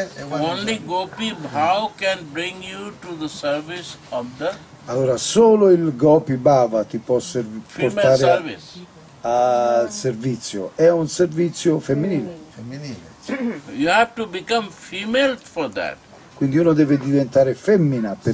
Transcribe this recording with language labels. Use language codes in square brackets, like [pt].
[en] Only gopi bhav can bring you to the service of the. [it] Allora solo il gopi bhava ti può portare al servizio. È un servizio femminile. [en] You have to become female for that. [it] Quindi uno deve diventare femmina per